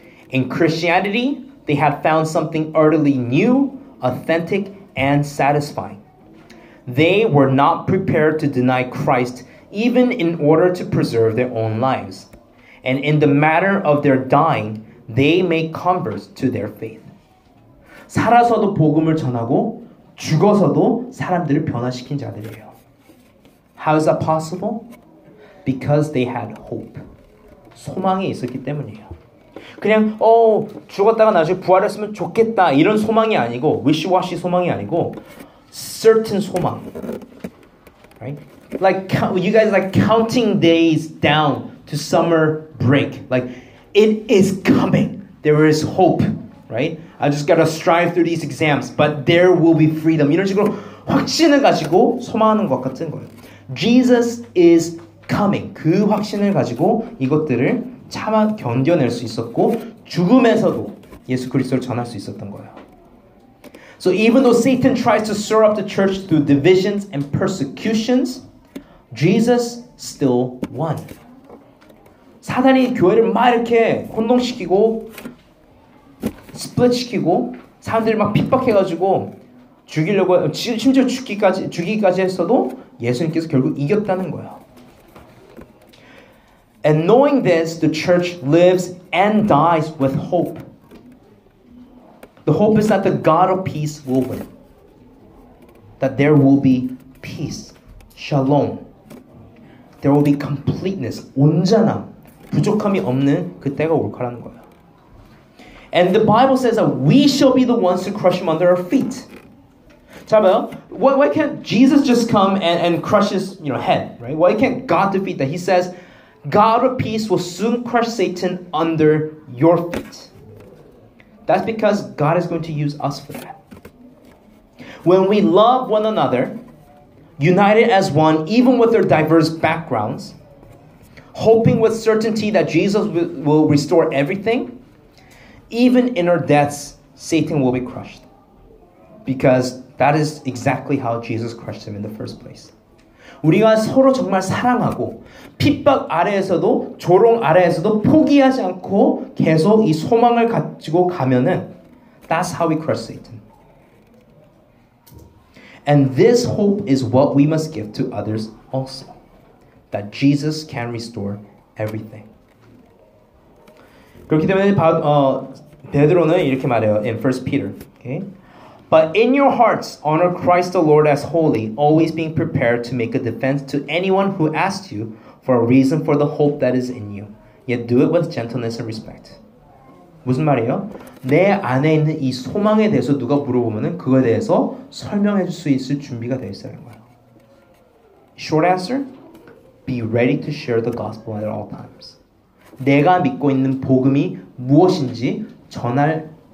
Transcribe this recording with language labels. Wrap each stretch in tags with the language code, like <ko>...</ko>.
<en>In Christianity, they had found something utterly new, authentic, and satisfying. They were not prepared to deny Christ even in order to preserve their own lives. And in the matter of their dying, they made converts to their faith.</en> <ko>살아서도 복음을 전하고 죽어서도 사람들을 변화시킨 자들이에요.</ko> <en>How is that possible? Because they had hope.</en> <ko>소망이 있었기 때문이에요. 그냥 죽었다가 나중에 부활했으면 좋겠다 이런 소망이 아니고 wishy-washy 소망이 아니고 certain 소망,</ko> <en>right? Like you guys like counting days down to summer break. Like it is coming. There is hope, right? I just gotta strive through these exams, but there will be freedom.</en> <ko>이런 식으로 확신을 가지고 소망하는 것 같은 거예요.</ko> <en>Jesus is coming.</en> <ko>그 확신을 가지고 이것들을 참아 견뎌낼 수 있었고 죽음에서도 예수 그리스도를 전할 수 있었던 거예요.</ko> <en>So even though Satan tries to stir up the church through divisions and persecutions, Jesus still won.</en> <ko>사단이 교회를 막 이렇게 혼동시키고 스플릿시키고 사람들이 막 핍박해가지고 죽이려고 심지어 죽이기까지 했어도 예수님께서 결국 이겼다는 거야.</ko> <en>And knowing this, the church lives and dies with hope. The hope is that the God of peace will win. That there will be peace. Shalom. There will be completeness.</en> <ko>온전함. 부족함이 없는 그때가 올 거라는 거야.</ko> <en>And the Bible says that we shall be the ones to crush him under our feet.</en> <ko>자, 봐요.</ko> <en>Why can't Jesus just come and crush his head? Right? Why can't God defeat that? He says, God of peace will soon crush Satan under your feet. That's because God is going to use us for that. When we love one another, united as one, even with their diverse backgrounds, hoping with certainty that Jesus will restore everything, even in our deaths, Satan will be crushed. Because that is exactly how Jesus crushed him in the first place.</en> <ko>우리가 서로 정말 사랑하고 핍박 아래에서도 조롱 아래에서도 포기하지 않고 계속 이 소망을 가지고 가면은</ko> <en>That's how we crush Satan. And this hope is what we must give to others also. That Jesus can restore everything.</en> <ko>그렇기 때문에 베드로는 이렇게 말해요.</ko> <en>In 1 Peter. Okay? But in your hearts, honor Christ the Lord as holy, always being prepared to make a defense to anyone who asks you for a reason for the hope that is in you. Yet do it with gentleness and respect.</en> <ko>무슨 말이에요? 내 안에 있는 이 소망에 대해서 누가 물어보면은 그거에 대해서 설명해 줄 수 있을 준비가 되어 있어야 하는 거예요.</ko> <en>Short answer, be ready to share the gospel at all times.</en> <ko>내가 믿고 있는 복음이 무엇인지 전할</ko>